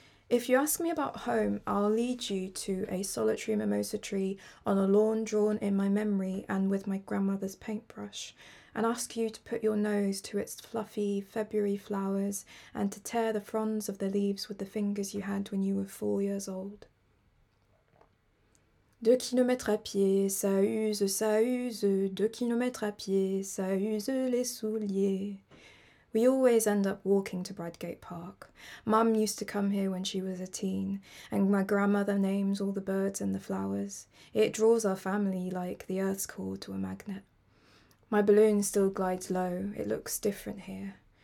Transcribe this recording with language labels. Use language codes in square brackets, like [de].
[en] If you ask me about home, I'll lead you to a solitary mimosa tree on a lawn drawn in my memory and with my grandmother's paintbrush, and ask you to put your nose to its fluffy February flowers and to tear the fronds of the leaves with the fingers you had when you were 4 years old. [fr] 2 kilomètres à pied, ça use, 2 kilomètres à pied, ça use les souliers. [en] We always end up walking to Bridgate Park. Mum used to come here when she was a teen, and my grandmother names all the birds and the flowers. It draws our family like the earth's core to a magnet. My balloon still glides low, it looks different here.